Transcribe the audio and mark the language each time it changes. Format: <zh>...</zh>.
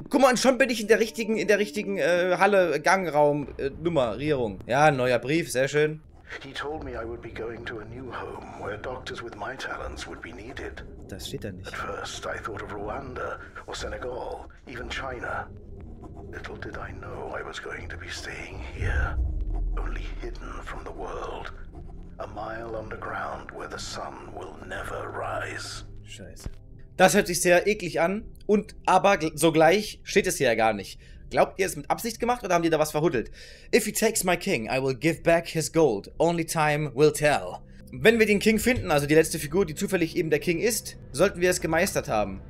<de>Guck mal, und schon bin ich in der richtigen Halle, Gangraum, Nummer, Rierung. Ja, neuer Brief, sehr schön.</de> <en>He told me I would be going to a new home where doctors with my talents would be needed.</en> <de>Das steht da nicht.</de> <en>At first I thought of Rwanda or Senegal, even China. Little did I know I was going to be staying here, only hidden from the world, a mile underground where the sun will never rise.</en> <de>Scheiße. Das hört sich sehr eklig an, und aber sogleich steht es hier ja gar nicht. Glaubt ihr, es mit Absicht gemacht oder haben die da was verhuddelt?</de> <en>If he takes my king, I will give back his gold. Only time will tell.</en> <de>Wenn wir den King finden, also die letzte Figur, die zufällig eben der King ist, sollten wir es gemeistert haben.</de>